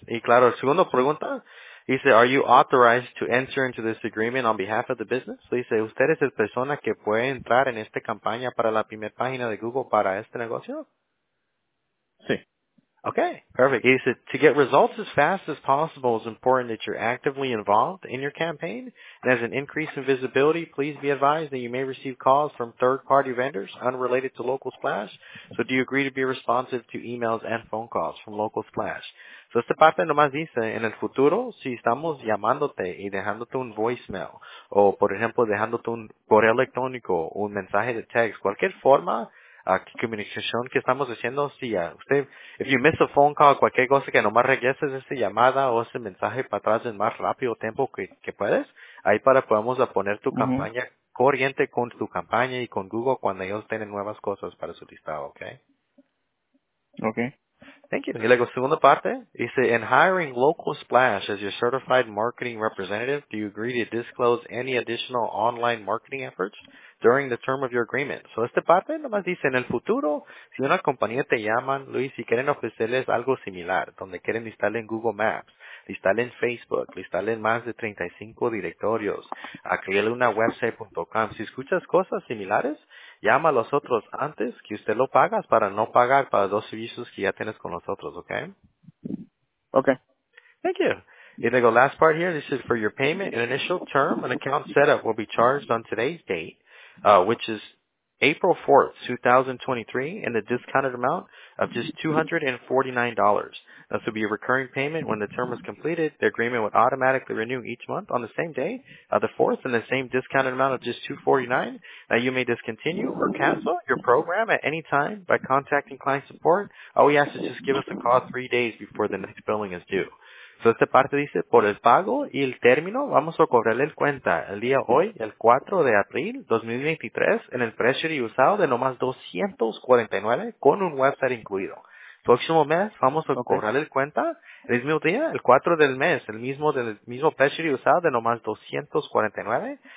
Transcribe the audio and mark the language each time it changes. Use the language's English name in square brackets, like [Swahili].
[Spanish] Y claro, segunda pregunta, dice, [English] are you authorized to enter into this agreement on behalf of the business? [Spanish] Dice, ¿usted es la persona que puede entrar en esta campaña para la primera página de Google para este negocio? Sí. [English] Okay, perfect. He said, to get results as fast as possible, it's important that you're actively involved in your campaign. And as an increase in visibility, please be advised that you may receive calls from third-party vendors unrelated to Local Splash. So do you agree to be responsive to emails and phone calls from Local Splash? [Spanish] So esta parte nomás dice, en el futuro, si estamos llamándote y dejándote un voicemail, o por ejemplo, dejándote un correo electrónico, un mensaje de text, cualquier forma, comunicación que estamos haciendo, si usted, [English] if you miss a phone call, [Spanish] cualquier cosa, que nomás regreses esta llamada o ese mensaje para atrás en más rápido tiempo que puedes, ahí para podamos poner tu campaña corriente con tu campaña y con Google cuando ellos tienen nuevas cosas para su listado, ¿ok? Ok. [English] Thank you. [Spanish] Y luego, segunda parte, dice, [English] in hiring Local Splash as your certified marketing representative, do you agree to disclose any additional online marketing efforts during the term of your agreement? [Spanish] So, esta parte nomás dice, en el futuro, si una compañía te llaman, Luis, y quieren ofrecerles algo similar, donde quieren instalar en Google Maps, listarle en Facebook, listarle en más de 35 directorios, a crearle una website.com. Si escuchas cosas similares, llama a los otros antes que usted lo pagas para no pagar para dos servicios que ya tienes con los otros, ¿ok? Ok. [English] Thank you. [Spanish] Y luego, [English] last part here, this is for your payment. An initial term, an account setup will be charged on today's date, which is April 4th, 2023, and the discounted amount of just $249. This will be a recurring payment. When the term is completed, the agreement would automatically renew each month on the same day, the 4th, and the same discounted amount of just $249. Now, you may discontinue or cancel your program at any time by contacting client support. All we ask is just give us a call 3 days before the next billing is due. [Spanish] So, esta parte dice, por el pago y el término, vamos a cobrarle el cuenta el día hoy, el 4 de abril 2023, en el precio y usado de nomás $249 con un website incluido. próximo mes vamos a cobrar el cuenta el mismo día, el 4 del mes, el mismo del mismo Pesci usado de nomás $249.